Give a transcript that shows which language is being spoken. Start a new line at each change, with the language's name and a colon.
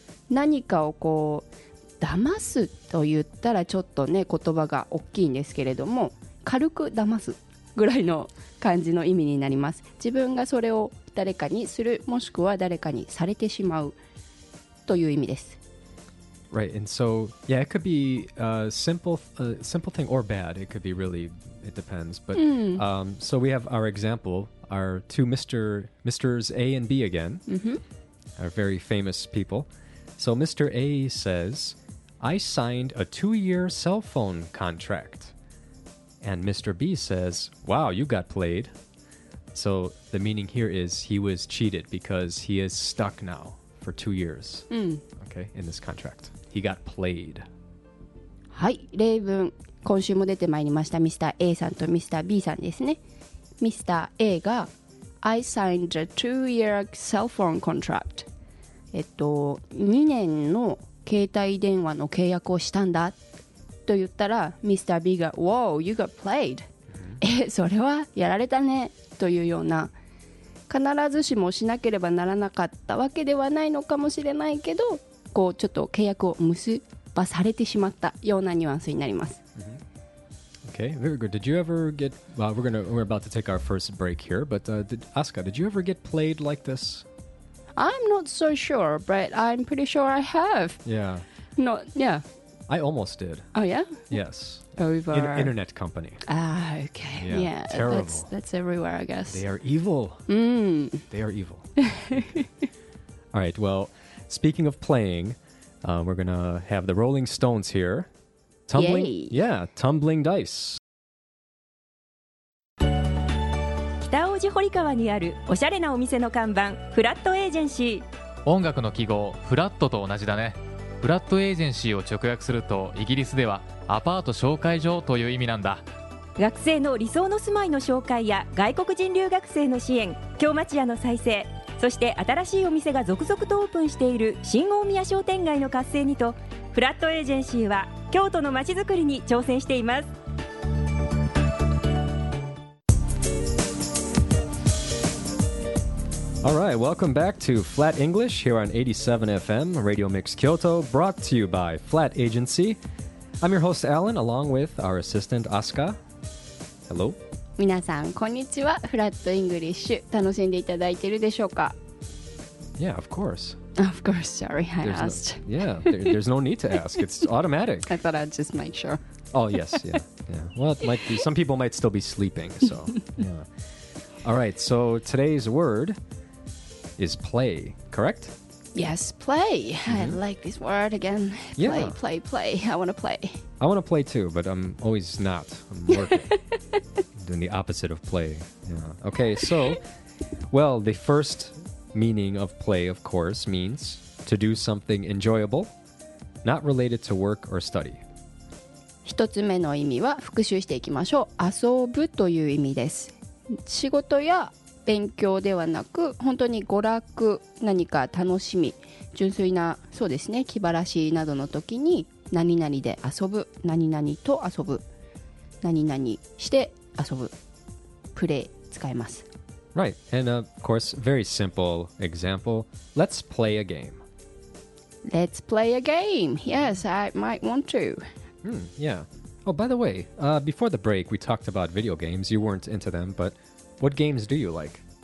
Japanese: 何かをこう騙すと言ったらちょっとね言葉が大きいんですけれども、軽く騙すぐらいの感じの意味になります。自分がそれを誰かにする、もしくは誰かにされてしまうという意味です。
English: Right, and so yeah, it could be simple thing or bad. It could be really, it depends. But、so we have our exampleOur two Mr.'s A and B again、 mm-hmm. are very famous people. So Mr. A says, I signed a 2-year cell phone contract. And Mr. B says, wow, you got played. So the meaning here is he was cheated because he is stuck now for 2 years、 mm. okay, in this contract. He got played.
Japanese: はい、例文今週も出てまいりました Mr. A さんと Mr. B さんですね。 Mr. A が
English: I signed a 2-year cell phone contract、
Japanese: 2年の携帯電話の契約をしたんだと言ったら、 Mr. B が
English: Wow, you got played、mm-hmm.
Japanese: それはやられたねというような、必ずしもしなければならなかったわけではないのかもしれないけど、こうちょっと契約を結ばされてしまったようなニュアンスになります。
English: Okay, very good. Did you ever get... Well, we're about to take our first break here, but Asuka, did you ever get played like this? I'm not so sure, but I'm pretty sure I have. Yeah. Not... Yeah. I almost did. Oh, yeah? Yes. Over... In an internet company. Ah, okay. Yeah. Terrible. That's everywhere, I guess. They are evil. Mm. They are evil. All right, well, speaking of playing, we're going to have the Rolling Stones here. Tumbling, yeah, tumbling dice.
Japanese: 北大路堀川にあるおしゃれなお店の看板、フラットエージェンシー。音楽の記号フラットと同じだね。フラットエージェンシーを直訳するとイギリスではアパート紹介所という意味なんだ。学生の理想の住まいの紹介や外国人留学生の支援、京町屋の再生、そして新しいお店が続々とオープンしている新大宮商店街の活性にと、フラットエージェンシーは京都の街づくりに挑戦しています。
English: All right, welcome back to Flat English here on 87FM Radio Mix Kyoto, brought to you by Flat Agency. I'm your host Alan, along with our assistant Asuka. Hello.
Japanese: 皆さんこんにちは。フラットイングリッシュ楽しんでいただいているでしょうか。
English: Yeah, of course. Of course, sorry, I there's asked. No, yeah, there's no need to ask. It's automatic. I thought I'd just make sure. Oh, yes, yeah. Yeah. Well, it might be, some people might still be sleeping, so, yeah. All right, so today's word is play, correct? Yes, play. Mm-hmm. I like this word again. Play, yeah. play. I want to play. I want to play too, but I'm always not. I'm working. Doing the opposite of play. Yeah. Okay, so, well, the first... meaning of play, of course, means to do something enjoyable, not related to work or study.
Japanese: 一つ目の意味は復習していきましょう。遊ぶという意味です。仕事や勉強ではなく、本当に娯楽、何か楽しみ、純粋な、そうですね、気晴らしなどの時に何々で遊ぶ、何々と遊ぶ、何々して遊ぶ、プレイ使えます。
English: Right, and of course, very simple example. Let's play a game. Let's play a game. Yes, I might want to. Yeah. Oh, by the way, before the break, we talked about video games. You weren't into them, but what games do you like?